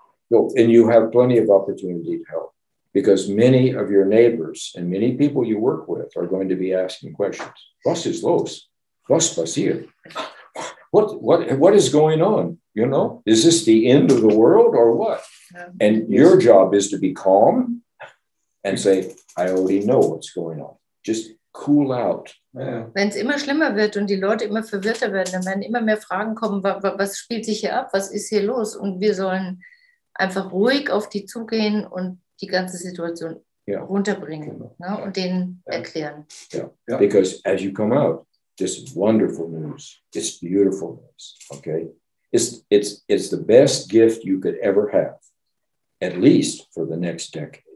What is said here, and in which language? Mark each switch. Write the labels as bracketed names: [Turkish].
[English] So, and you have plenty of opportunity to help. Because many of your neighbors and many people you work with are going to be asking questions. [German] Was ist los? Was passiert? [English] What is going on? You know, is this the end of the world or what? And your job is to be calm and say, I already know what's going on. Just cool out. Yeah. [German] Wenn es immer schlimmer wird und die Leute immer verwirrter werden, dann werden immer mehr Fragen kommen, was spielt sich hier ab? Was ist hier los? Und wir sollen einfach ruhig auf die zugehen und die ganze Situation runterbringen, ne, und denen erklären. [English] Yeah. Because as you come out, this wonderful news, it's beautiful news, okay? It's the best gift you could ever have, at least for the next decade.